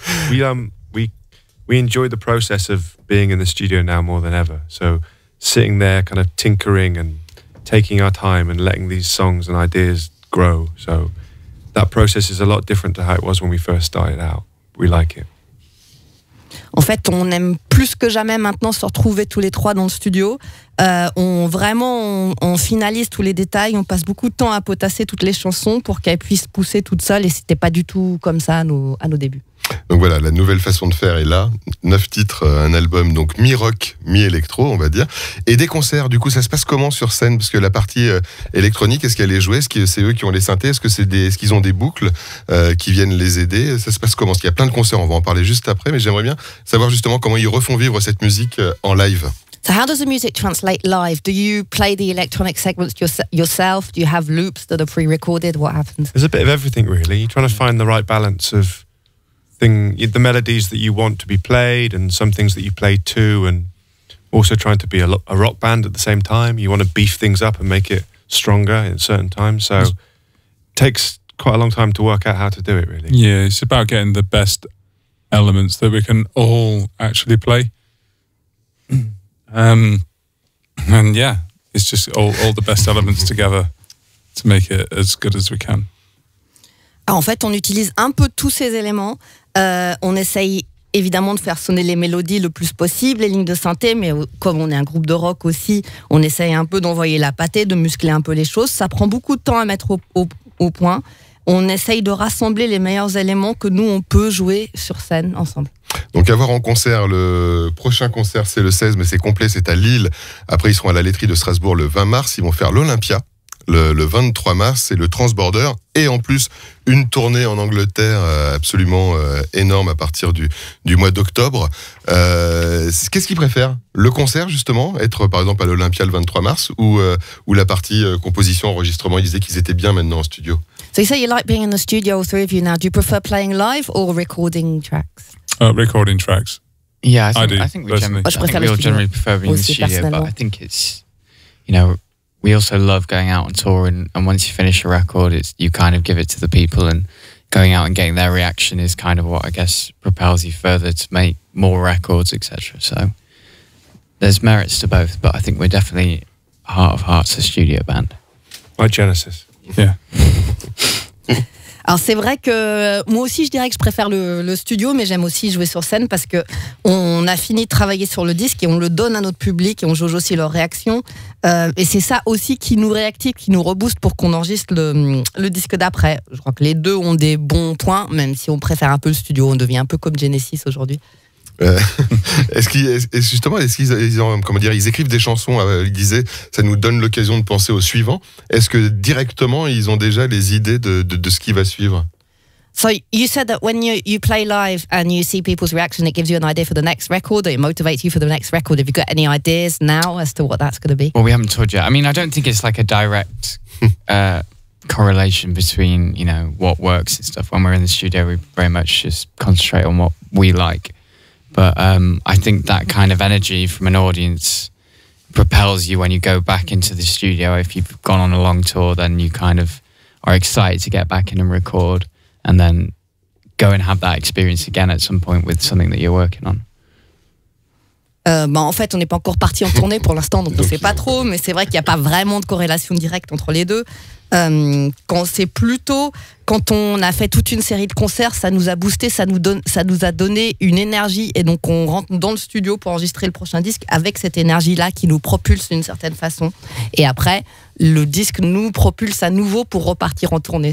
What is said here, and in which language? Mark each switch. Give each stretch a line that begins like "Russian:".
English: we enjoy the process of being in the studio now more than ever. So sitting there, kind of tinkering and taking our time and letting these songs and ideas grow. So that process is a lot different to how it was when we first started out. We like it.
French: En fait, on aime plus que jamais maintenant se retrouver tous les trois dans le studio. On finalise tous les détails, on passe beaucoup de temps à potasser toutes les chansons pour qu'elles puissent pousser toutes seules, et c'était pas du tout comme ça à nos débuts. Donc voilà, la nouvelle façon de faire est là. 9 titres, un album donc mi-rock, mi-électro, on va dire. Et des concerts, du coup, ça se passe comment sur scène? Parce que la partie électronique, est-ce qu'elle est jouée? Est-ce que c'est eux qui ont les synthés? Est-ce qu'ils ont des boucles qui viennent les aider? Ça se passe comment? Parce qu'il y a plein de concerts, on va en parler juste après, mais j'aimerais bien savoir justement comment ils refont vivre cette musique en live.
English: So how does the music translate live? Do you play the electronic segments yourself? Do you have loops that are pre-recorded? What happens? There's a bit of everything, really. You're trying to find the right balance of the melodies that you want to be played and some things that you play too, and also trying to be a rock band at the same time. You want to beef things up and make it stronger at certain times. So it takes quite a long time to work out how to do it, really. Yeah, it's about getting the best elements that we can all actually play. And yeah, it's just all the best elements together to make it as good as we can.
French: En fait, on utilise un peu tous ces éléments. On essaye évidemment de faire sonner les mélodies le plus possible, les lignes de synthé, mais comme on est un groupe de rock aussi, on essaye un peu d'envoyer la pâtée, de muscler un peu les choses. Ça prend beaucoup de temps à mettre au point. On essaye de rassembler les meilleurs éléments que nous, on peut jouer sur scène ensemble. Donc à voir en concert, le prochain concert c'est le 16, mais c'est complet, c'est à Lille. Après ils seront à la Laiterie de Strasbourg le 20 mars, ils vont faire l'Olympia. Le 23 mars, c'est le Transborder. Et en plus, une tournée en Angleterre absolument énorme à partir du mois d'octobre. Qu'est-ce qu'ils préfèrent? Le concert, justement? Être, par exemple, à l'Olympia le 23 mars? Ou la partie composition, enregistrement? Ils disaient qu'ils étaient bien maintenant en studio.
English: So you say you like being in the studio, all three of you now. Do you prefer playing live or recording tracks? Recording tracks. Yeah, I think we all generally prefer being in the studio, but I think it's, you know, we also love going out on tour, and once you finish a record, it's, you kind of give it to the people, and going out and getting their reaction is kind of what, I guess, propels you further to make more records, etc. So there's merits to both, but I think we're definitely heart of hearts a studio band. My Genesis, yeah.
French: Alors c'est vrai que moi aussi je dirais que je préfère le studio, mais j'aime aussi jouer sur scène parce qu'on a fini de travailler sur le disque et on le donne à notre public et on jauge aussi leur réaction. Et c'est ça aussi qui nous réactive, qui nous rebooste pour qu'on enregistre le disque d'après. Je crois que les deux ont des bons points, même si on préfère un peu le studio, on devient un peu comme Genesis aujourd'hui. Ils écrivent des chansons, ils disaient, ça nous donne l'occasion de penser au suivant. Est-ce que directement ils ont déjà les idées de ce qui va suivre?
English: So you said that when you play live and you see people's reaction, it gives you an idea for the next record, it motivates you for the next record. Have you got any ideas now as to what that's going to be? Well, we haven't told yet. I mean, I don't think it's like a direct correlation between, you know, what works and stuff. When we're in the studio, we very much just concentrate on what we like. But I think that kind of energy from an audience propels you when you go back into the studio. If you've gone on a long tour, then you kind of are excited to get back in and record and then go and have that experience again at some point with something that you're working on.
French: En fait, on n'est pas encore parti en tournée pour l'instant, donc on ne sait pas trop. Mais c'est vrai qu'il n'y a pas vraiment de corrélation directe entre les deux. quand c'est plutôt quand on a fait toute une série de concerts, ça nous a boosté, ça nous a donné une énergie, et donc on rentre dans le studio pour enregistrer le prochain disque avec cette énergie là qui nous propulse d'une certaine façon, et après le disque nous propulse à nouveau pour repartir en tournée.